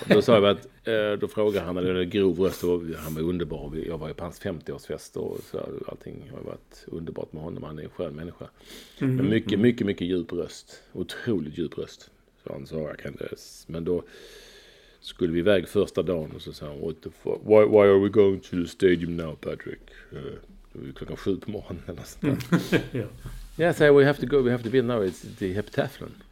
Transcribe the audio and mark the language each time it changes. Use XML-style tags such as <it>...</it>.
<sv>Då sa jag att då frågade han. Det är grov röst. Och han var underbar. Jag var ju på hans 50-årsfest. Och så allting har varit underbart med honom. Han är en skön människa. Men mycket, mycket, mycket djup röst. Otroligt djup röst. Så han sa. Men då skulle vi iväg första dagen. Och så sa han.</sv> <en>Why are we going to the stadium now, Patrick?</en> <sv>Klockan 7 på morgonen eller sånt där.</sv> <en>Yeah, say, we have to be now, it's the heptathlon.</en>